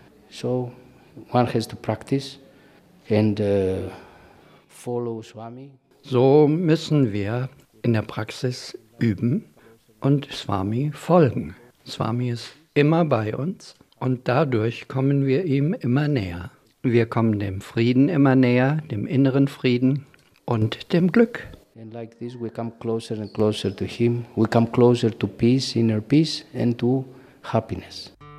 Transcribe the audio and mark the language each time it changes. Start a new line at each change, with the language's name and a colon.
English: So one has to practice and follow Swami.
German: So müssen wir in der Praxis üben und Swami folgen. Swami ist immer bei uns und dadurch kommen wir ihm immer näher. Wir kommen dem Frieden immer näher, dem inneren Frieden und dem Glück.
English: And like this we come closer and closer to him. We come closer to peace, inner peace and to happiness.